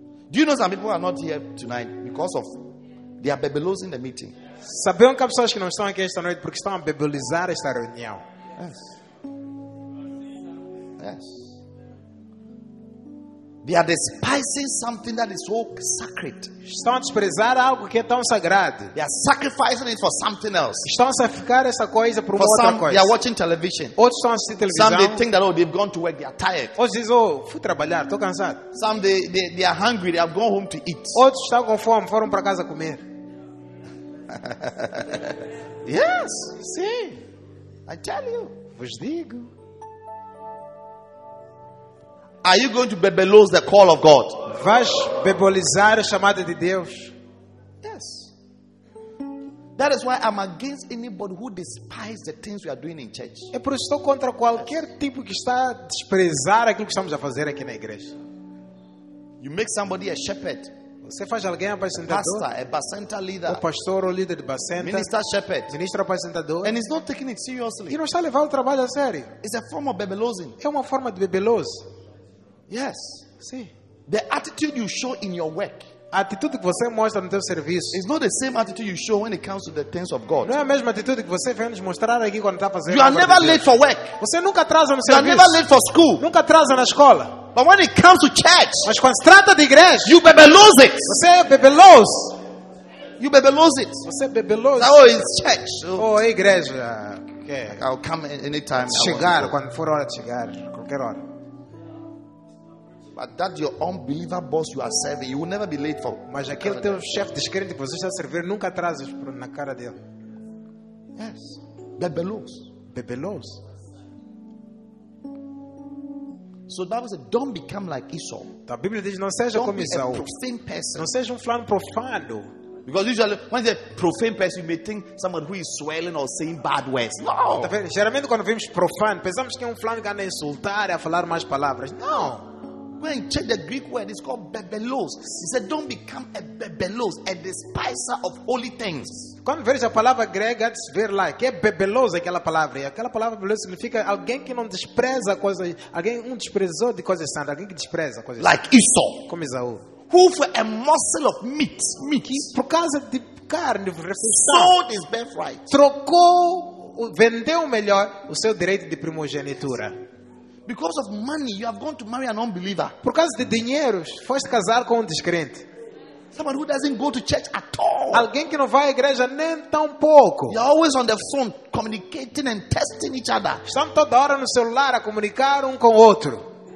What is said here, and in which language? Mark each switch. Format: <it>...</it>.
<en>Do you know some people are not here tonight because of they are bebelosing the meeting?</en> <pt>Sabem que há pessoas que não estão aqui esta noite porque estão a bebelizar esta reunião.</pt> <en>Yes. Yes. They are despising something that is so sacred.</en> <pt>Estão a desprezar algo que é tão sagrado.</pt> <en>They are sacrificing it for something else.</en> <pt>Estão a sacrificar essa coisa por outra</pt> <en>some,</en> <pt>coisa.</pt> <en>They are watching television.</en> <pt>Outros estão a assistir televisão.</pt> <en>Some they think that oh they've gone to work, they are tired.</en> <pt>Outros dizem oh fui trabalhar, estou cansado.</pt> <en>Some they are hungry, they have gone home to eat.</en> <pt>Outros estão com fome, foram para casa comer.</pt> <en>Yes,</en> <pt>sim.</pt> <en>I tell you.</en> <pt>Vos digo.</pt> <en>Are you going to bebelose the call of God?</en> <pt>Vais bebelizar a chamada de Deus?</pt> <en>Yes. That is why I'm against anybody who despises the things we are doing in church.</en> <pt>É por isso que estou contra qualquer tipo que está a desprezar aquilo que estamos a fazer aqui na igreja.</pt> <en>You make somebody a shepherd.</en> <pt>Você faz alguém apacentador?</pt> <en>Pastor, a bacenta leader.</en> <pt>O pastor ou líder de bacenta.</pt> <en>Minister shepherd.</en> <pt>Ministro apacentador.</pt> <en>And he's not taking it seriously.</en> <pt>E não está a levar o trabalho a sério.</pt> <en>It's a form of bebelosing.</en> <pt>É uma forma de bebelose.</pt> <en>Yes. See, the attitude you show in your work.</en> <pt>A atitude que você mostra no teu serviço.</pt> <en>It's not the same attitude you show when it comes to the things of God.</en> <pt>Não é a mesma atitude que você vem nos mostrar aqui quando está fazendo.</pt> <en>You are never late for work.</en> <pt>Você nunca atrasa no serviço.</pt> <en>You are never late for school.</en> <pt>Nunca atrasa na escola.</pt> <en>But when it comes to church.</en> <pt>Mas quando se trata de igreja.</pt> <en>You bebelose it.</en> <pt>Você é bebelose.</pt> <en>You bebelose it.</en> <pt>Você bebelose.</pt> <en>Oh, it's church.</en> <pt>Oh, é igreja.</pt> <en>Okay. I'll come anytime.</en> <pt>Chegar quando for hora de chegar, qualquer hora.</pt> <en>But that your unbeliever boss you are serving, you will never be late for.</en> <pt>Mas aquele teu chefe descrente que você está a servir nunca atrasa na cara dele.</pt> <en>Yes. Bebelos. bebelos. So the Bible says, don't become like Esau.</en> <pt>A Bíblia diz, não seja</pt> <en>don't</en> <pt>como Esau.</pt> <en>Be a profane person.</en> <pt>Não seja flano profano.</pt> <en>Because usually when you say profane person, you may think someone who is swelling or saying bad words. No.</en> <pt>Geralmente quando vemos profano, pensamos que flano que anda a insultar e a falar más palavras.</pt> <en>No. When you check the Greek word, it's called bebelos. He said, don't become a bebelos, a despiser of holy things.</en> <pt>Quando vês a palavra grega, é ver lá, que é bebelos aquela palavra. E aquela palavra bebelos significa alguém que não despreza coisas, alguém um desprezou de coisas santas, alguém que despreza coisas.</pt> <en>Like Esau.</en> <pt>Como Esaú.</pt> <en>Who for a morsel of meat,</en> <pt>Mickey, por causa de carne,</pt> <en>sold his birthright.</en> <pt>Trocou, vendeu melhor o seu direito de primogenitura.</pt> <en>Because of money, you have gone to marry an unbeliever.</en> <pt>Por causa de dinheiro, foste casar com descrente.</pt> <en>Someone who doesn't go to church at all.</en> <pt>Alguém que não vai à igreja nem tão pouco.</pt> <en>You're always on the phone communicating and testing each other.</en> <pt>Estão toda hora no celular a comunicar um com o outro.</pt>